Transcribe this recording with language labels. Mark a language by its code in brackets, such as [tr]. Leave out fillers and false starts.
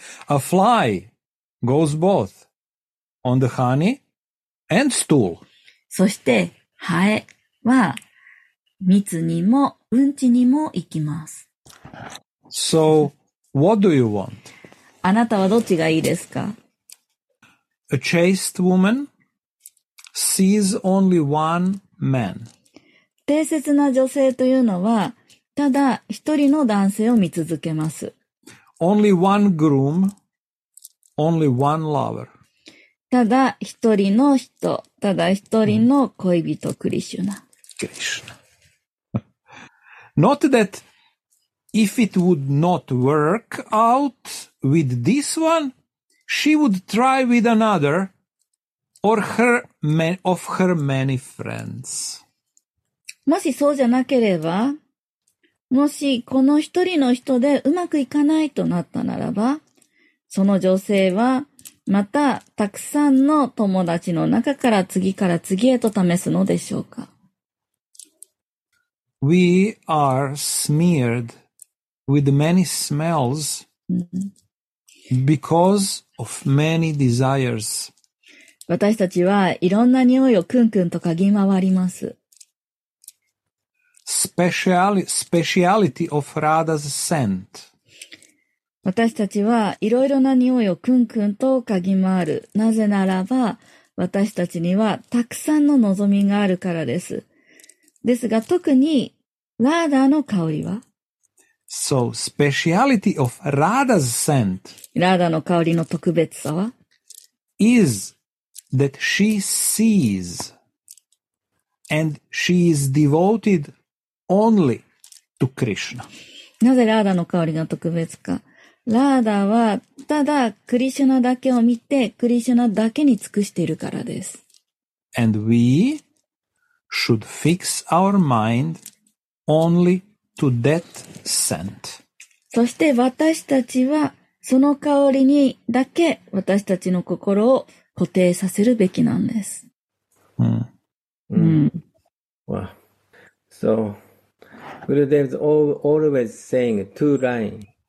[en] A fly goes both on the honey and stool. [ja] そしてハエは蜜にもうんちにも行きます。 [en] So what do you want? [ja] あなたはどっちがいいですか? [en] A chaste woman sees only one. Man. [ja] 大切な女性というのはただ一人の男性を見続けます。 [en] Only one groom, only one lover. [ja] ただ一人の人、ただ一人の恋人、クリシュナ。クリシュナ。 [en] Not that if it would not work out with this one, she would try with another. Or her of her many friends. [ja] もしそうじゃなければ、もしこの一人の人でうまくいかないとなったならば、その女性はまたたくさんの友達の中から次から次へと試すのでしょうか。 [en] We are smeared with many smells because of many desires. [ja] 私たちはいろんな匂いをクンクンと嗅ぎ回ります。 [en] Speciality of Radha's scent. [ja] 私たちはいろいろな匂いをクンクンと嗅ぎ回る。なぜならば、私たちにはたくさんの望みがあるからです。ですが、特に、Radhaの香りは? [en] So, speciality of Radha's scent. [ja] Radhaの香りの特別さは? [en] Is...That she sees and she is devoted only to Krishna. [ja] なぜラーダの香りが特別か。ラーダはただクリシュナだけを見てクリシュナだけに尽くしているからです。 [en] And we should fix our mind only to that scent. [ja] そして私たちはその香りにだけ私たちの心を固定させるべきなんです。うん。うん。 [en] Wow. So, Gurudev is always saying two lines.